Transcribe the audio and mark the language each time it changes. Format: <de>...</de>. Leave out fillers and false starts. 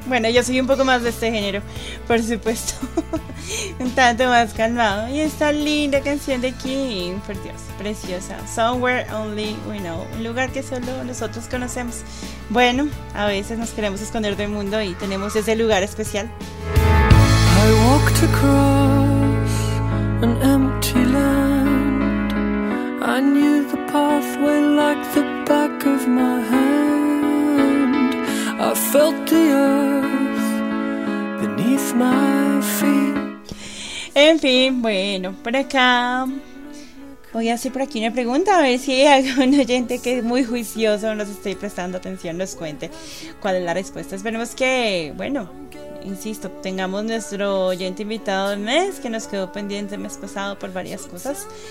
<es>Bueno, yo soy un poco más de este género, por supuesto. Un tanto más calmado. Y esta linda canción de Kim, por Dios, preciosa. Somewhere only we know. Un lugar que solo nosotros conocemos. Bueno, a veces nos queremos esconder del mundo y tenemos ese lugar especial.</es> <en>I walked across an empty land. I knew the pathway like the back of my hand. I felt the earth beneath my feet.</en> <es>En fin, bueno, por acá voy a hacer por aquí una pregunta, a ver si hay algún oyente que es muy juicioso, nos esté prestando atención, nos cuente cuál es la respuesta. Esperemos que, bueno, insisto, tengamos nuestro oyente invitado del mes, que nos quedó pendiente el mes pasado por varias cosas.</es>